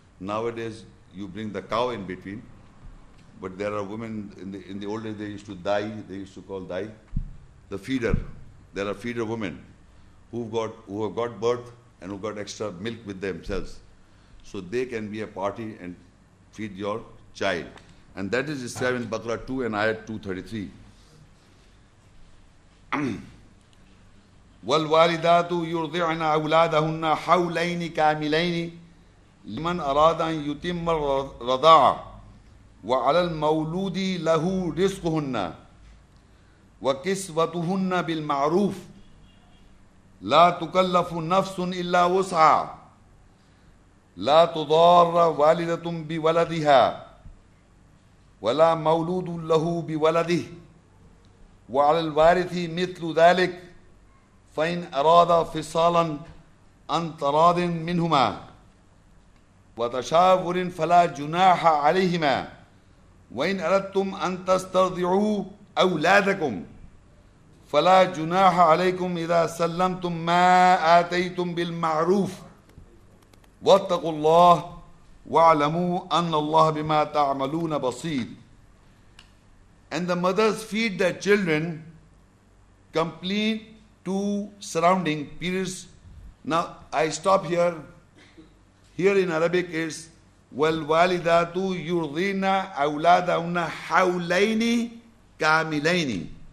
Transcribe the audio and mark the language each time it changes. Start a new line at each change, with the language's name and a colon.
English: Nowadays, you bring the cow in between, but there are women in the old days, they used to call the feeder. There are feeder women who have got birth and who got extra milk with themselves. So they can be a party and feed your child. And that is described in Baqarah 2 and Ayat 233.
Arabic: وَالْوَالِدَاتُ يُرْضِعْنَا أَوْلَادَهُنَّ حَوْلَيْنِ كَامِلَيْنِ لِمَنْ أَرَادَ أَنْ يُتِمَّ الرَّضَاعَ وَعَلَى الْمَوْلُودِ لَهُ رِزْقُهُنَّ وَكِسْوَتُهُنَّ بِالْمَعْرُوفِ لا تكلف نفس إلا وسعها لا تضار والدة بولدها ولا مولود له بولده وعلى الوارث مثل ذلك فإن أراد فصالا عن تراض منهما وتشاور فلا جناح عليهما وإن أردتم أن تسترضعوا أولادكم فلا جناح عليكم إذا سلمتم ما آتيتم بالمعروف واتقوا الله واعلموا أن الله بما تعملون بصير.
English: And the mothers feed their children complete two surrounding periods. Now I stop here. Here in Arabic is
Arabic: والوالدات يرضين أولادهن حولين كاملين.